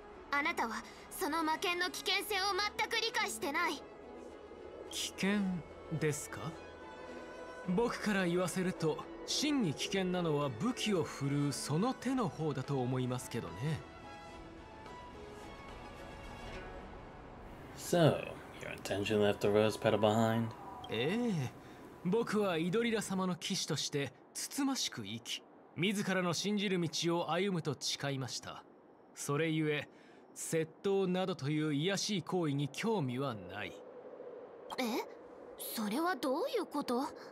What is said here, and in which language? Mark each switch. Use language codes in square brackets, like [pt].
[ja] あなたはその魔剣の危険性を全く理解してない。危険ですか？僕から言わせると、真に危険なのは武器を振るうその手の方だと思いますけどね。 [en] So, your intention left the rose petal behind? [ja] ええ、僕はイドリラ様の騎士としてつつましく生き、自らの信じる道を歩むと誓いました。それゆえ、窃盗などという卑しい行為に興味はない。え？それはどういうこと？